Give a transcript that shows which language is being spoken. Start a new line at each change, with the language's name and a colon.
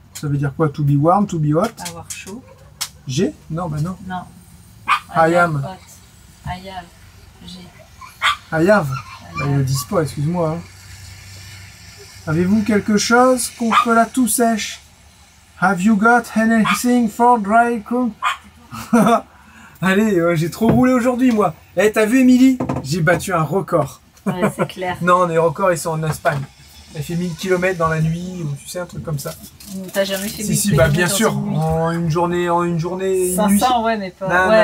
French: Ça veut dire quoi?
English: To be warm, to be hot?
French: Avoir chaud. J'ai? Non, bah non. Non.
English: I am. Hot. I have.
French: J'ai.
English: I have.
French: Bah, ils le disent pas, excuse-moi. Hein. Avez-vous quelque chose contre la toux sèche?
English: Have you got anything for dry cold?
French: Allez, j'ai trop roulé aujourd'hui, moi. Eh, hey, t'as vu, Émilie? J'ai battu un record. Ouais, c'est clair. Non, les records, ils sont en Espagne. Elle fait 1000 km dans la nuit, ou tu sais, un truc comme ça. T'as jamais fait 1000 km? Si, bah, bien sûr. En une journée. 500, une nuit. Ouais, mais pas. Non, ouais,